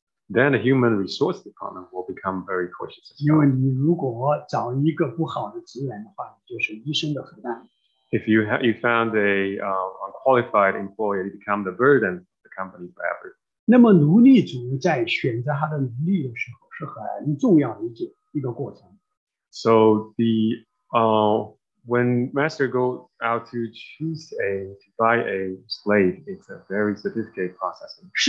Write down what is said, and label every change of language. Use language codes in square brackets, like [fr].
[en] Then the human resource department will become very cautious. [zh] 因为你如果找一个不好的职员的话, 就是医生的负担。 [en] If you have, you found a unqualified employee, it becomes the burden of the company forever. [zh] 那么奴隶主在选择他的奴隶的时候是很重要的一个过程。 [en] So the when master goes out to choose a to buy a slave, it's a very sophisticated process.